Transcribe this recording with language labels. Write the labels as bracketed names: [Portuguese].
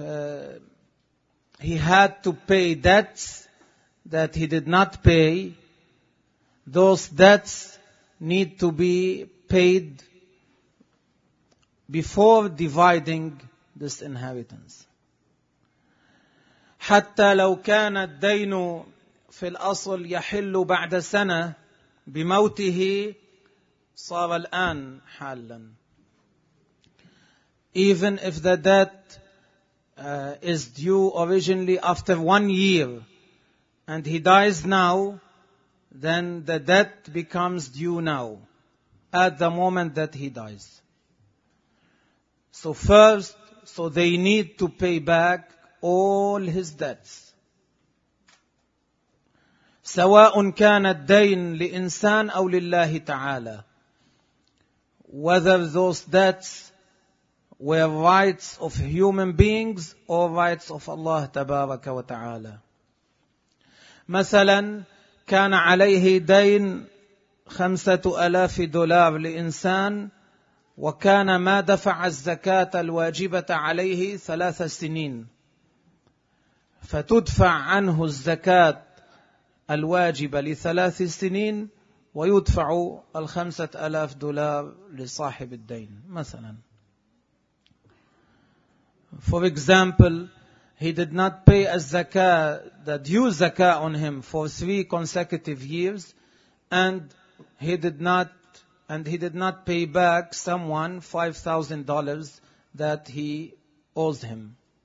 [English] If he had to pay debts that he did not pay, those debts need to be paid before dividing this inheritance. [Arabic] حتى لو كان الدين في الأصل يحل بعد سنة بموته صار الآن حالا. [English] Even if the debt is due originally after 1 year, and he dies now, then the debt becomes due now, at the moment that he dies. So they need to pay back all his debts. [Arabic] سواء كان الدين لإنسان أو لله تعالى. [English] Whether those debts were rights of human beings or rights of Allah [Arabic] تبارك وتعالى. مثلا كان عليه دين 5,000 دولار لإنسان وكان ما دفع الزكاة الواجبة عليه 3 سنين. فتدفع عنه الزكاة الواجب ل3 سنين ويدفع 5,000 دولار لصاحب الدين مثلا. [English] For example, he did not pay a zakah, the due zakah on him for 3 consecutive years, and he did not pay back someone $5,000 that he owes him.